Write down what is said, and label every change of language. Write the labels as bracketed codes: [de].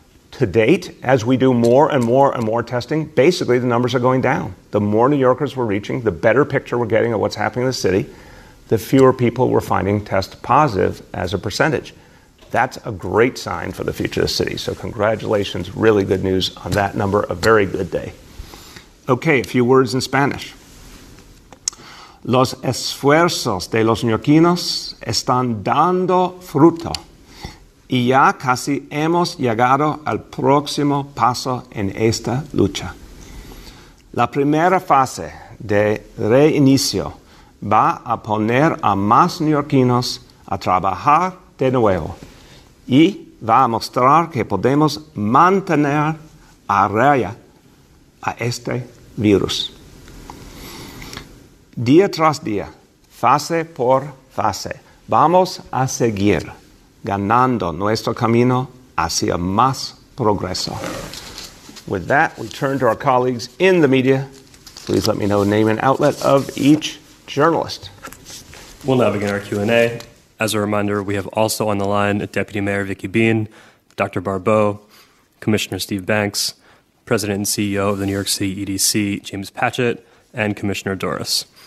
[en] To date, as we do more and more and more testing, basically the numbers are going down. The more New Yorkers we're reaching, the better picture we're getting of what's happening in the city, the fewer people we're finding test positive as a percentage. That's a great sign for the future of the city. So congratulations, really good news on that number. A very good day. Okay, a few words in Spanish. [es] Los esfuerzos de los neoyorquinos están dando fruto y ya casi hemos llegado al próximo paso en esta lucha. La primera fase de reinicio va a poner a más neoyorquinos a trabajar de nuevo y va a mostrar que podemos mantener a raya a este virus. Día tras día, fase por fase, vamos a seguir ganando nuestro camino hacia más progreso. [en] With that, we turn to our colleagues in the media. Please let me know the name and outlet of each journalist. We'll now begin our Q&A. As a reminder, we have also on the line Deputy Mayor Vicky Bean, Dr. Barbeau, Commissioner Steve Banks, President and CEO of the New York City EDC, James Patchett, and Commissioner Doris.